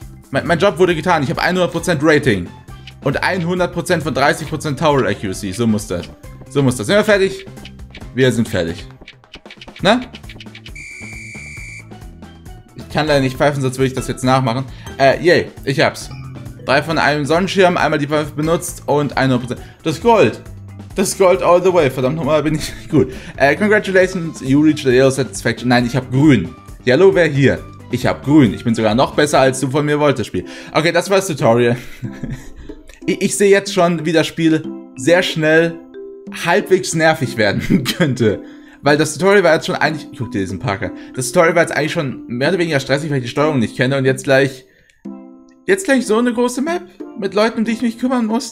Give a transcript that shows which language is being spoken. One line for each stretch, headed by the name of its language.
German: Mein Job wurde getan. Ich habe 100% Rating. Und 100% von 30% Tower Accuracy. So muss das. Sind wir fertig? Wir sind fertig. Ne? Ich kann leider nicht pfeifen, sonst würde ich das jetzt nachmachen. Yay, ich hab's. 3 von einem Sonnenschirm, einmal die Pfeife benutzt und 100%. Das Gold. Das Gold all the way. Verdammt nochmal, bin ich gut.
English: Congratulations, you reached the yellow satisfaction.
German: Nein, ich hab grün. Yellow wäre hier. Ich hab grün. Ich bin sogar noch besser, als du von mir wolltest, Spiel. Okay, das war das Tutorial. Ich sehe jetzt schon, wie das Spiel sehr schnell halbwegs nervig werden könnte. Weil das Tutorial war jetzt schon eigentlich... Ich guck dir diesen Park an. Das Tutorial war jetzt eigentlich schon mehr oder weniger stressig, weil ich die Steuerung nicht kenne. Und jetzt gleich so eine große Map mit Leuten, um die ich mich kümmern muss.